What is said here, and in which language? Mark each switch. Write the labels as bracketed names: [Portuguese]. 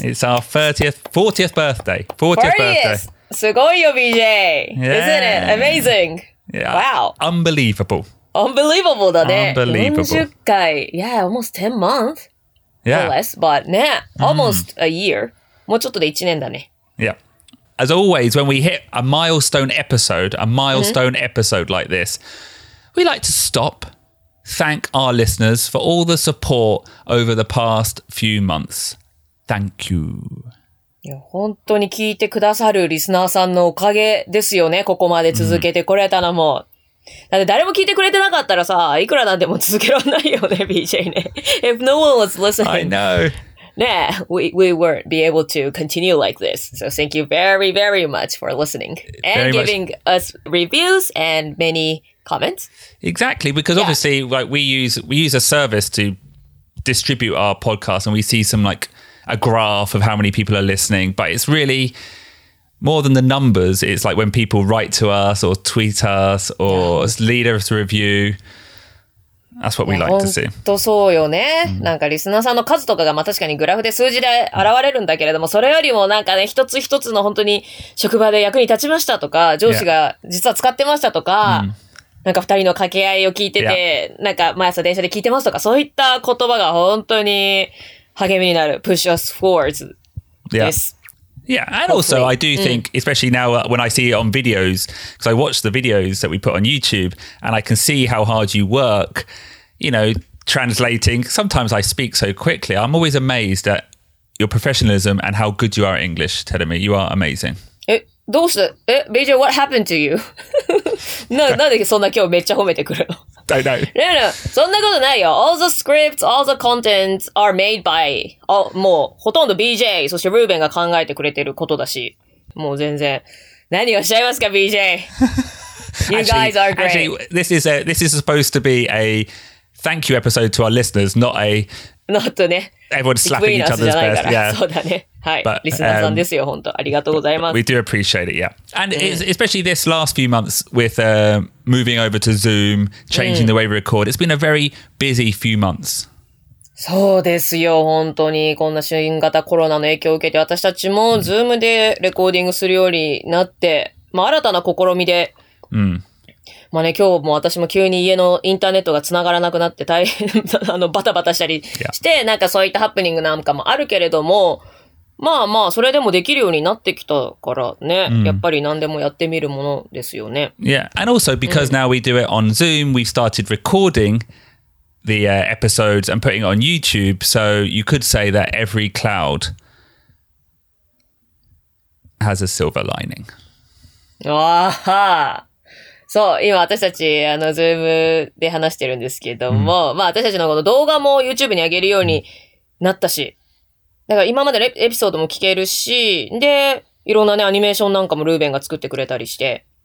[English] It's our 40th birthday. 40th birthday. [Japanese] すごいよ, [English] BJ. Yeah. Isn't it? Amazing. Yeah. Wow. Unbelievable. Unbelievable, [Japanese] だね。40回。 [English] Yeah, almost 10 months. Yeah. Or less, but ね、almost a year. [Japanese] もうちょっとで1年だね。 [English] Yeah. As always, when we hit a milestone episode like this, we like to stop, thank our listeners for all the support over the past few months. Thank you. [Japanese] いや、本当に聞いてくださるリスナーさんのおかげですよね。ここまで続けてこれたのも。 Mm-hmm. だって誰も聞いてくれてなかったらさ、いくらなんでも続けられないよね、BJ ね。 [English] If no one was listening, I know. ね、we won't be able to continue like this. So thank you very, very much for listening and giving us reviews and many comments. Exactly, because obviously, like we use a service to distribute our podcast, and we see some like a graph of how many people are listening, but it's really... More than the numbers, it's like when people write to us or tweet us or lead us a review. That's what we like to see. [Japanese] 本当そうよね。なんかリスナーさんの数とかがまあ確かにグラフで数字で現れるんだけれども、それよりもなんかね、一つ一つの本当に職場で役に立ちましたとか、上司が実は使ってましたとか、なんか二人の掛け合いを聞いてて、なんか毎朝電車で聞いてますとか、そういった言葉が本当に励みになる。 [English] Push us forwards [Japanese] です。 [English] Yeah, and also I do think, especially now when I see it on videos, because I watch the videos that we put on YouTube, and I can see how hard you work, you know, translating. Sometimes I speak so quickly. I'm always amazed at your professionalism and how good you are at English, Terumi. You are amazing. [Japanese] どうして? [English] BJ, what happened to you? [Japanese] なんでそんな今日めっちゃ褒めてくるの? [English] Don't know. No. [Japanese] そんなことないよ。 [English] All the scripts, all the contents are made by, [Japanese] もうほとんど BJ, そしてRubenが考えてくれてることだし、もう全然。何をしちゃいますか, BJ? [English] You guys are great. Actually, this is supposed to be a thank you episode to our listeners, not [Japanese] ね。 [English] Everyone slapping each other's best. Yeah. [Japanese] そうだね。But, [English] we do appreciate it, yeah. And especially this last few months with moving over to Zoom, changing the way we record, it's been a very busy few months. [Japanese] そうですよ、本当に。こんな新型コロナの影響を受けて、私たちも Zoom でレコーディングするようになって、まあ、新たな試みで。まあね、今日も私も急に家のインターネットが繋がらなくなって大変、バタバタしたりして、なんかそういったハプニングなんかもあるけれども、まあまあそれでもできるようになってきたからね、やっぱり何でもやってみるものですよね。 [English] Yeah, and also because now we do it on Zoom, we started recording the episodes and putting it on YouTube, so you could say that every cloud has a silver lining. わーはー。 [Japanese] そう、今私たちZoom で話してるんですけども、まあ私たちのこの動画も YouTube に上げるようになったし、だから今までエピソードも聞けるし、で、いろんなね、アニメーションなんかもルーベンが作ってくれたりして。